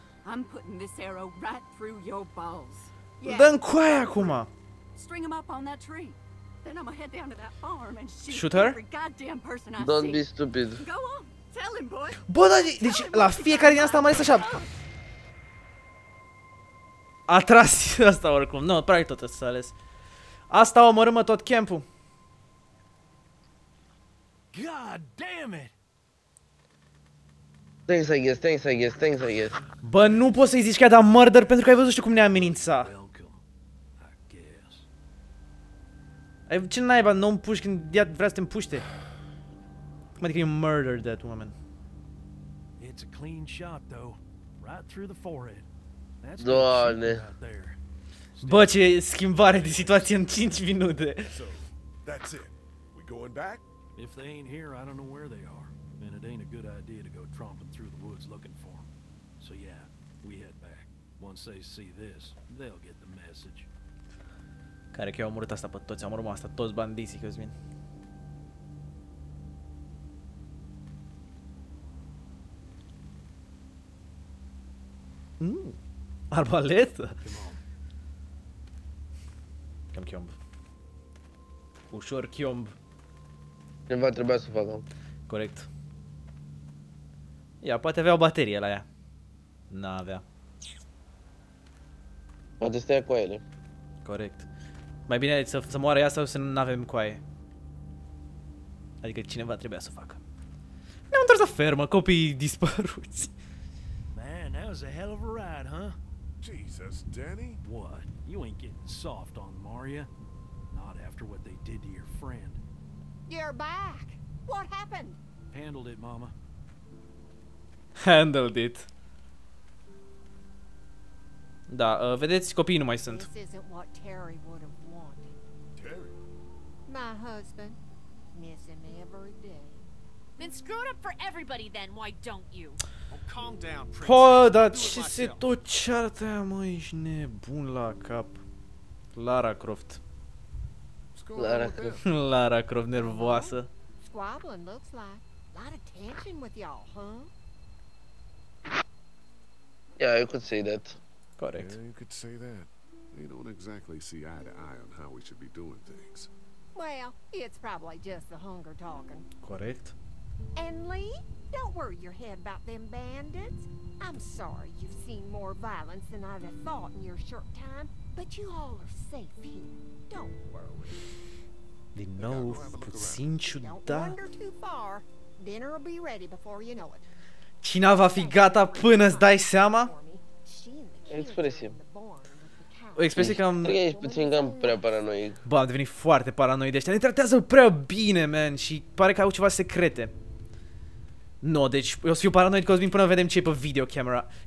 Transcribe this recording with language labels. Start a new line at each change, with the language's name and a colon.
English: I'm putting this arrow right through your balls.
Romanian: Dă-mi coaia acum.
English: String him up on that tree. Then I'm head down to that farm and shoot her. Goddamn person. Don't be stupid. Go on. Tell him, boy.
Romanian: Bă, da, deci la fiecare din asta mai este așa. A tras asta oricum. Nu, practic tot s-a ales. Asta omorâmă tot campul.
English: God damn it. Thanks, I guess.
Romanian: Bă, nu poți să-i zici că a dat murder pentru că ai văzut știu cum ne-a amenința. Ai, ce naiba, nu împuși când ea vrea să te împuște. Cum adică
English: you murdered that woman? It's a clean shot, though. Right through the forehead. That's Doamne.
Romanian: Bă, ce schimbare de situație în 5 minute.
English: So, that's it. We going back? If they ain't here, I don't know where they are. And it ain't a good idea to go tromping through the woods looking for them. So yeah, we head back. Once they see this, they'll get the message.
Romanian: Care că eu am omorât asta pe toți, am omorât asta toți bandiții, Cosmin. Arbaletă? Cam chiomb. Ușor chiomb. Cineva trebuia să facă. Corect. Ea poate avea o baterie la ea. N-avea. Poate stai cu ele. Corect. Mai bine să moară ea sau să nu avem coaie. Adică cineva trebuia să facă. Ne-am întors la fermă, copiii dispăruți.
English: Man, that was a hell of a ride, huh? Jesus, Danny. What? You ain't getting soft on Maria? Not after what they did to your friend. You're back. What happened? Handled it, mama. Handled it.
Romanian: Da, vedeți, copiii nu mai sunt.
English: This isn't what Terry would have wanted. Terry? My husband. Miss him every day. Then screw it up for everybody then, why don't you? Oh, calm down, princess.
Romanian: Pă, dar ce se tot ceartă aia, mă, ești nebun la cap. Lara Croft. Lara Croft nervoasă.
English: Squabbling looks like a lot of tension with y'all, huh? Yeah, you could say that. Correct. Yeah, you could say that. They don't exactly see eye to eye on how we should be doing things. Well, it's probably just the hunger talking. Correct. And Lee, don't worry your head about them bandits. I'm sorry you've seen more violence than I'd have thought in your short time. But you all are safe here. Don't worry.
Romanian: Din nou, puțin ciudat.
English: Don't wander too far. Dinner will be ready before you know it.
Romanian: Cina va fi gata până îți dai seama? Expresie. O expresie cam... Ești puțin cam prea paranoic. Bă, am devenit foarte paranoic de ăștia. Ne tratează prea bine, man. Și pare că au ceva secrete. Nu, no, deci eu o să fiu paranoid că o să vin până vedem ce e pe videocamera.